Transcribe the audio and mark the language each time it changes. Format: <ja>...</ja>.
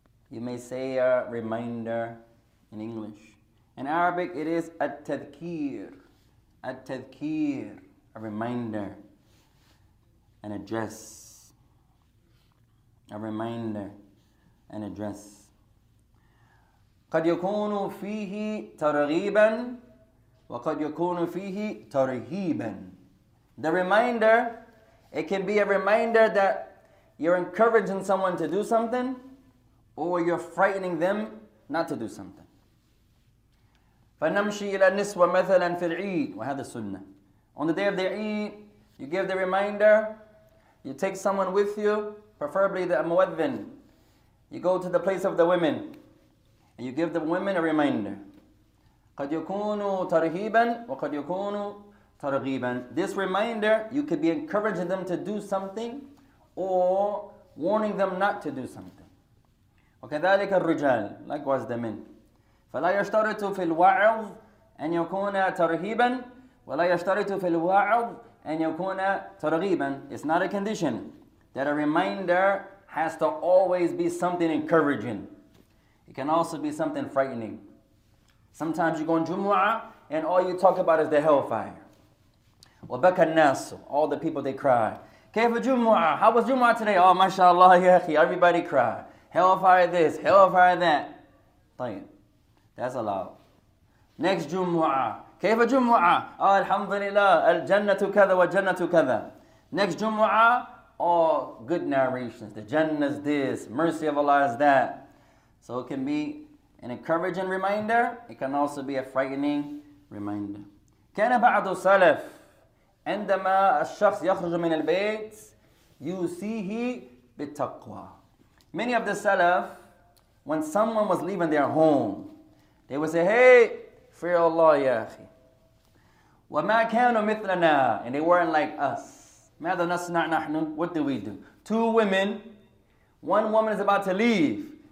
<en>You may say a reminder in English. In Arabic, it is At-Tadhkir, At-Tadhkir, a reminder, an address. A reminder, an address.</en> <ar>قد يكون فيه ترغيبا وقد يكون فيه ترهيبا.</ar> <en>The reminder, it can be a reminder that you're encouraging someone to do something or you're frightening them not to do something.</en> <ar>فنمشي إلى النسوة مثلا في العيد وهذا السنة.</ar> <en>On the day of the Eid, you give the reminder, you take someone with you, preferably the muadhin. You go to the place of the women and you give the women a reminder.</en> <ar>قد يكون ترهيبا وقد يكون ترغيبا.</ar> <en>This reminder, you could be encouraging them to do something or warning them not to do something.</en> <ar>وكذلك الرجال,</ar> <en>likewise the men.</en> <ar>فلا يشترط في الوعظ أن يكون ترهيبا ولا يشترط في الوعظ أن يكون ترغيبا.</ar> <en>It's not a condition that a reminder has to always be something encouraging. It can also be something frightening. Sometimes you go on Jumu'ah and all you talk about is the hellfire.</en> <ar>وَبَكَ النَّاسُ,</ar> <en>all the people, they cry.</en> <ar>كَيْفَ جُمُعَةٌ,</ar> <en>how was Jumu'ah today? Oh, mashallah,</en> <ar>يَا أَخِي,</ar> <en>everybody cry. Hellfire this, hellfire that.</en> <ar>طيب,</ar> <en>that's allowed. Next Jumu'ah.</en> <ar>كَيْفَ جُمُعَةٌ, oh, alhamdulillah, الْجَنَّةُ كَذَا وَالْجَنَّةُ كَذَا.</ar> <en>Next Jumu'ah. All good narrations. The Jannah is this, mercy of Allah is that. So it can be an encouraging reminder. It can also be a frightening reminder.</en> <ar>كان بعض السلف عندما الشخص يخرج من البيت يوصيه بالتقوى.</ar> <en>Many of the salaf, when someone was leaving their home, they would say, hey, fear Allah,</en> <ar>يا أخي. وما كانوا مثلنا,</ar> <en>and they weren't like us.</en> <ar>ماذا نصنع نحن?</ar> <en>What do we do? Two women, one woman is about to leave.</en>